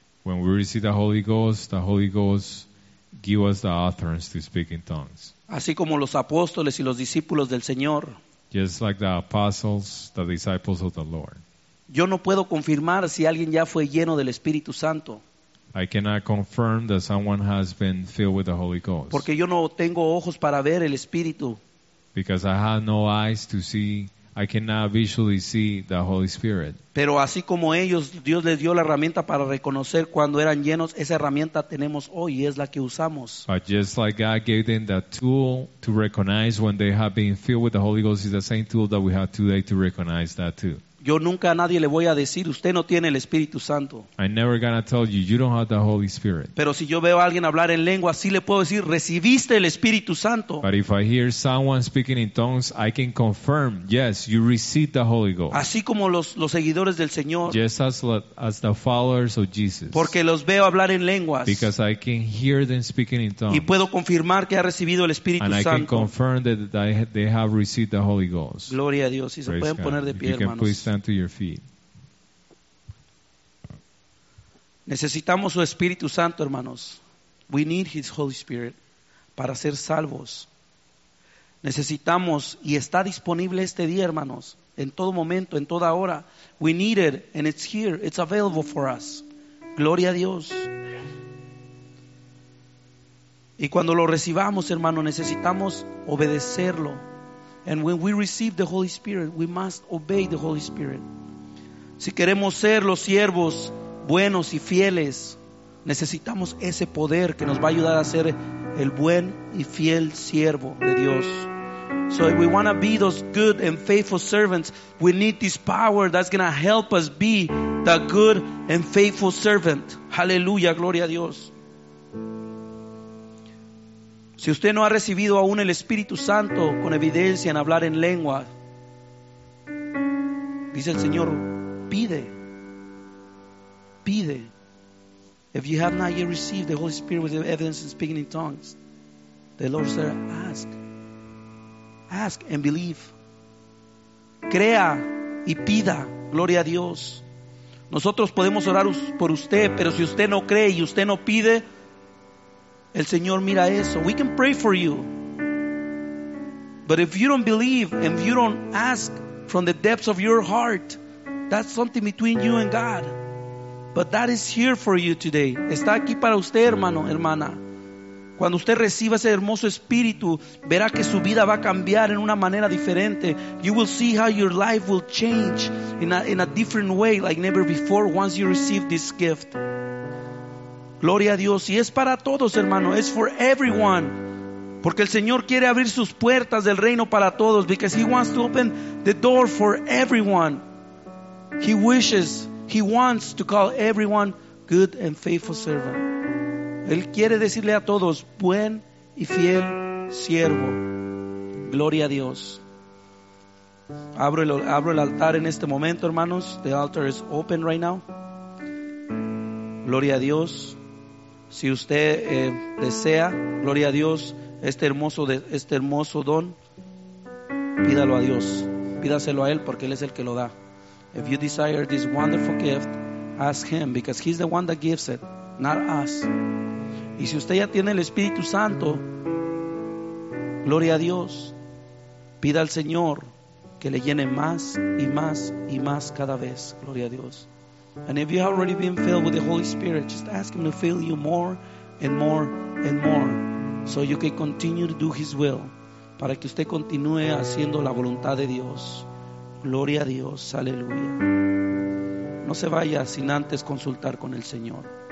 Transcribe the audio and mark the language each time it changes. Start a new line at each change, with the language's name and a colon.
English: When we receive the Holy Ghost give us the utterance to speak in tongues.
Spanish: Así como los apóstoles y los discípulos del Señor.
English: Just like the apostles, the disciples of the Lord.
Spanish: Yo no puedo confirmar si alguien ya fue lleno del Espíritu Santo.
English: I cannot confirm that someone has been filled with the Holy Ghost.
Spanish: Porque yo no tengo ojos para ver el Espíritu.
English: Because I have no eyes to see, I cannot visually see the Holy Spirit.
Spanish: Pero así como ellos, Dios les dio la herramienta para reconocer cuando eran llenos, esa herramienta tenemos hoy y es la que usamos.
English: But just like God gave them the tool to recognize when they have been filled with the Holy Ghost, it's the same tool that we have today to recognize that too.
Spanish: Yo nunca a nadie le voy a decir, usted no tiene el Espíritu Santo.
English: I never gonna tell you, you don't have the Holy Spirit.
Spanish: Pero si yo veo a alguien hablar en lengua, sí le puedo decir, recibiste el Espíritu Santo.
English: But if I hear someone speaking in tongues, I can confirm, yes, you received the Holy Ghost.
Spanish: Así como los seguidores del Señor.
English: Just as the followers of Jesus.
Spanish: Porque los veo hablar en lenguas.
English: Because I can hear them speaking in tongues.
Spanish: Y puedo confirmar que ha recibido el Espíritu
English: And
Spanish: Santo.
English: And I can confirm that they have received the Holy Ghost.
Spanish: Gloria a Dios. Y se pueden poner de pie, hermanos.
English: To your feet.
Spanish: Necesitamos su Espíritu Santo, hermanos.
English: We need His Holy Spirit
Spanish: para ser salvos. Necesitamos y está disponible este día, hermanos, en todo momento, en toda hora.
English: We need it and it's here. It's available for us.
Spanish: Gloria a Dios. Y cuando lo recibamos, hermano, necesitamos obedecerlo.
English: And when we receive the Holy Spirit, we must obey the Holy Spirit.
Spanish: Si queremos ser los siervos buenos y fieles, necesitamos ese poder que nos va a ayudar a ser el buen y fiel siervo de Dios.
English: So if we want to be those good and faithful servants, we need this power that's going to help us be the good and faithful servant.
Spanish: Hallelujah, gloria a Dios. Si usted no ha recibido aún el Espíritu Santo con evidencia en hablar en lengua, dice el Señor, pide, pide.
English: If you have not yet received the Holy Spirit with evidence in speaking in tongues, the Lord said, ask. Ask and believe.
Spanish: Crea y pida, gloria a Dios. Nosotros podemos orar por usted, pero si usted no cree y usted no pide, el Señor mira eso.
English: We can pray for you. But if you don't believe and if you don't ask from the depths of your heart, that's something between you and God. But that is here for you today.
Spanish: Está aquí para usted, hermano, hermana. Cuando usted reciba ese hermoso espíritu, verá que su vida va a cambiar en una manera diferente.
English: You will see how your life will change in a different way like never before once you receive this gift.
Spanish: Gloria a Dios, y es para todos, hermano, es
English: for everyone,
Spanish: porque el Señor quiere abrir sus puertas del reino para todos,
English: because He wants to open the door for everyone. He wishes, He wants to call everyone good and faithful servant.
Spanish: Él quiere decirle a todos, buen y fiel siervo. Gloria a Dios. Abro el altar en este momento, hermanos.
English: The altar is open right now.
Spanish: Gloria a Dios. Si usted desea, gloria a Dios, este hermoso don, pídalo a Dios. Pídaselo a Él porque Él es el que lo da.
English: If you desire this wonderful gift, ask Him because He's the one that gives it, not us.
Spanish: Y si usted ya tiene el Espíritu Santo, gloria a Dios, pida al Señor que le llene más y más y más cada vez. Gloria a Dios.
English: And if you have already been filled with the Holy Spirit, just ask Him to fill you more and more and more so you can continue to do His will.
Spanish: Para que usted continúe haciendo la voluntad de Dios. Gloria a Dios. Aleluya. No se vaya sin antes consultar con el Señor.